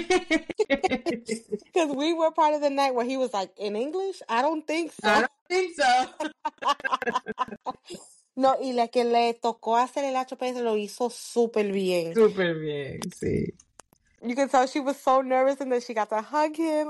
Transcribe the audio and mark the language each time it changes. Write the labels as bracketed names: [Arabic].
[English] Because we were part of the night where he was like, in English? I don't think so. [Spanish] No, y la que le tocó hacer el HPS lo hizo súper bien. Súper bien, sí. [English] You can tell she was so nervous and then she got to hug him.